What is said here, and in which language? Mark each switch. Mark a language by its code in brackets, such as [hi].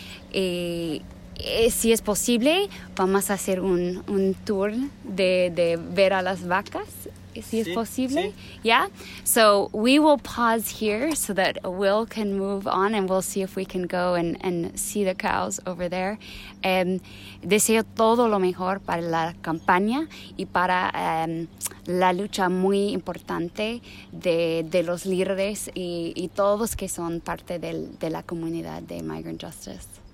[es] Si es posible, vamos a hacer un tour de ver a las vacas, si es posible. Sí. [en] Yeah. So we will pause here so that Will can move on and we'll see if we can go and see the cows over there. [es] Deseo todo lo mejor para la campaña y para la lucha muy importante de los líderes y todos que son parte de la comunidad de Migrant Justice.